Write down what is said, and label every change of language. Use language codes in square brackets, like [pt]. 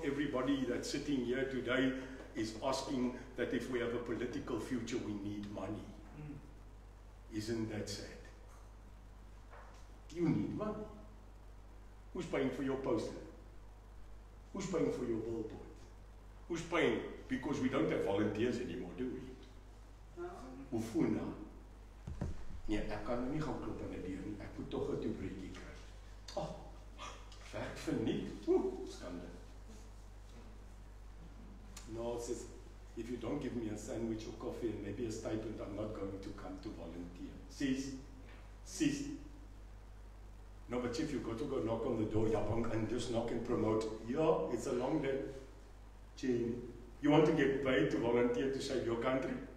[en] Everybody that's sitting here today is asking that if we have a political future, we need money. Isn't that sad? You need money. Who's paying for your poster? Who's paying for your billboard? Who's paying? Because we don't have volunteers anymore, do we? [zu] Ufuna. [af] Nee, ek kan nie gaan klop aan die deur nie. Ek moet tog 'n toebroodjie kry. Werk vir nie. Skande. [en] No, it says, if you don't give me a sandwich or coffee and maybe a stipend, I'm not going to come to volunteer. Sis. Sis. No, but chief, you've got to go knock on the door, Yabong, and just knock and promote. Yeah, it's a long day. Chief, you want to get paid to volunteer to save your country?